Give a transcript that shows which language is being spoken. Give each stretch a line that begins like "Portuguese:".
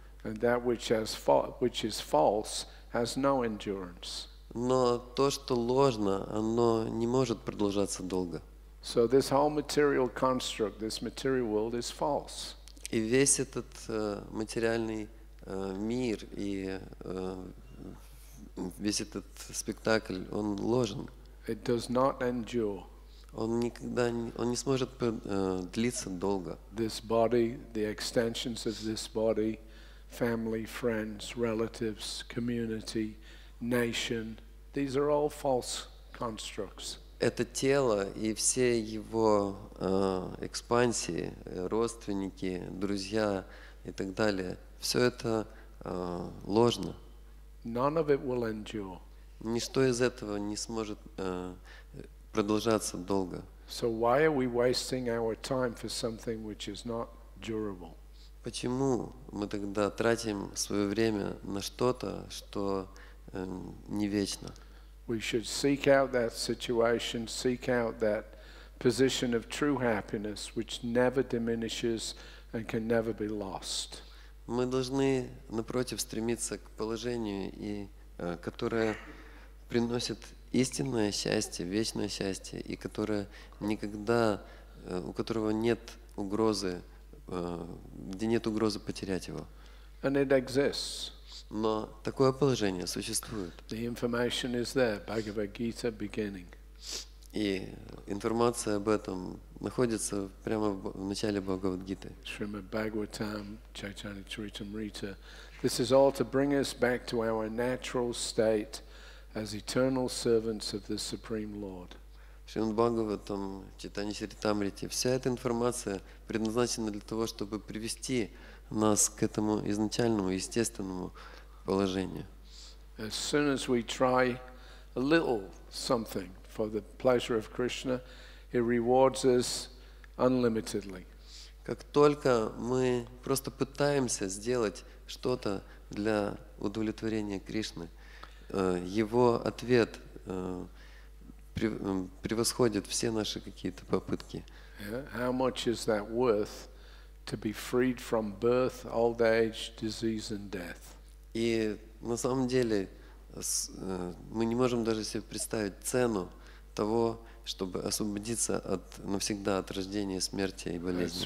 English: And that which is false has no endurance.
Russian: Но то, что ложно, оно не может продолжаться долго.
English: So this whole material construct, this material world is false.
Russian: И весь этот материальный мир и весь этот спектакль, он ложен.
English: It does not endure.
Russian: Он никогда он не сможет длиться долго.
English: This body, the extensions of this body, family, friends, relatives, community, nation, these are all false constructs.
Russian: Это тело и все его экспансии, родственники, друзья и так далее, все это ложно.
English: None of it will endure.
Russian: Ничто из этого не сможет продолжаться долго.
English: So why are we wasting our time for something which is not durable?
Russian: Почему мы тогда тратим свое время на что-то, что не вечно?
English: We should seek out that situation, seek out that position of true happiness, which never diminishes and can never be lost.
Russian: Мы должны, напротив, стремиться к положению, и, которое приносит истинное счастье, вечное счастье, и которое никогда, у которого нет угрозы, где нет угрозы потерять его.
English: And it exists.
Russian: Но такое положение существует.
English: The information is there, Bhagavad Gita beginning.
Russian: И информация об этом находится прямо в начале Бхагавад-гиты.
English: Shrimad Bhagavatam, Chaitanya Charitamrita. This is all to bring us back to our natural state as eternal servants of the Supreme Lord. Shrimad Bhagavatam, Chaitanya Charitamrita.
Russian: Вся эта информация предназначена для того, чтобы привести нас к этому изначальному, естественному положению.
English: As soon as we try a little something for the pleasure of Krishna, he rewards us unlimitedly.
Russian: Как только мы просто пытаемся сделать что-то для удовлетворения Кришны, его ответ превосходит все наши какие-то попытки.
English: How much is that worth to be freed from birth, old age, disease and death?
Russian: И на самом деле мы не можем даже себе представить цену того, чтобы освободиться от навсегда от рождения, смерти и болезни.